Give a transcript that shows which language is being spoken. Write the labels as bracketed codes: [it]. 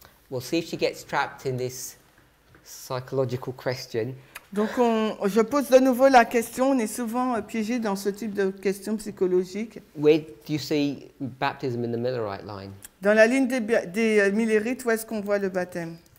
[en] We'll see if she gets trapped in this psychological question. [fr] Donc, je pose de nouveau la question. On est souvent piégé dans ce type de questions psychologiques. [en] Where do you see baptism in the Millerite line? [fr] Dans la ligne des Millerites, où est-ce qu'on voit le baptême?